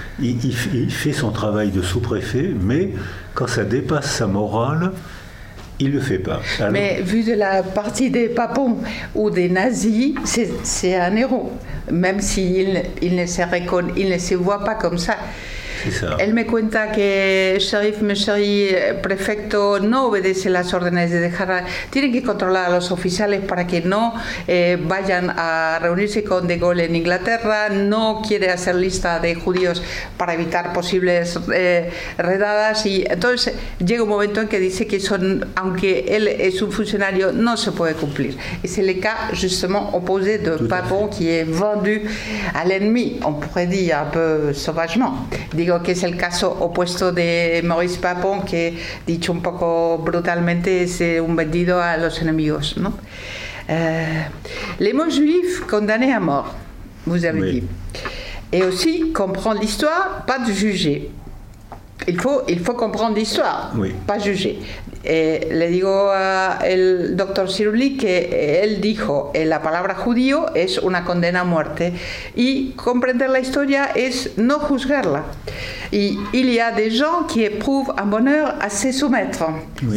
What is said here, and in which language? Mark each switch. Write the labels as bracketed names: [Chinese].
[French] Il fait son travail de sous-préfet, mais quand ça dépasse sa morale, il ne le fait pas. Alors... Mais vu de la partie des papons ou des nazis, c'est un héros, même s'il ne se voit pas comme ça. [Spanish] Él me cuenta que Shérif Meshari, prefecto, no obedece las órdenes de dejar. Tienen que controlar a los oficiales para que no vayan a reunirse con De Gaulle en Inglaterra. No quiere hacer lista de judíos para evitar posibles redadas. Y entonces llega un momento en que dice que son, aunque él es un funcionario, no se puede cumplir. Es el caso justamente opuesto de Papon, que es vendido al enemigo, [French] on pourrait dire un peu sauvagement. [Spanish] Digo que es el caso opuesto de Maurice Papon, que dicho un poco brutalmente es un vendido a los enemigos, ¿no? [French] Les mots juifs condamnés à mort, vous avez dit. Et aussi, comprendre l'histoire, pas de juger. Il faut comprendre l'histoire, pas juger. [Spanish] Et le digo al doctor Cirulli que él dijo, la palabra judío es una condena a muerte. Y comprender la historia es no juzgarla. [French] Y il y a des gens qui éprouvent un bonheur à se soumettre. Oui.